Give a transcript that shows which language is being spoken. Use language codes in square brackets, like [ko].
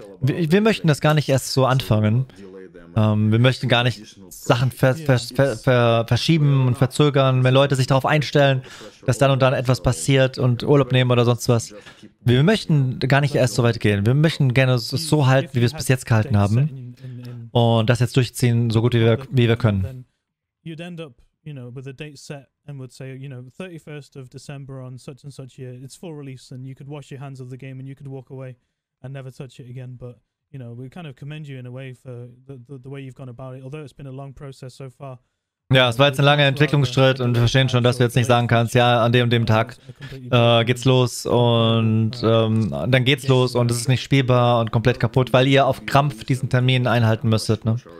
[de] Wir möchten das gar nicht erst so anfangen. Wir möchten gar nicht Sachen verschieben und verzögern, wenn Leute sich darauf einstellen, dass dann und dann etwas passiert und Urlaub nehmen oder sonst was. Wir möchten gar nicht erst so weit gehen. Wir möchten gerne es so halten, wie wir es bis jetzt gehalten haben und das jetzt durchziehen, so gut wie wir können. [en] you know, with a date set and would say, you know, 31st of December on such and such year, it's full release, and you could wash your hands of the game and you could walk away and never touch it again. But, you know, we kind of commend you in a way for the way you've gone about it, although it's been a long process so far. [de] Ja, es war jetzt ein langer Entwicklungsschritt und wir verstehen schon, dass du jetzt nicht sagen kannst, ja, an dem und dem Tag geht's los und dann geht's los und es ist nicht spielbar und komplett kaputt, weil ihr auf Krampf diesen Termin einhalten müsstet, ne?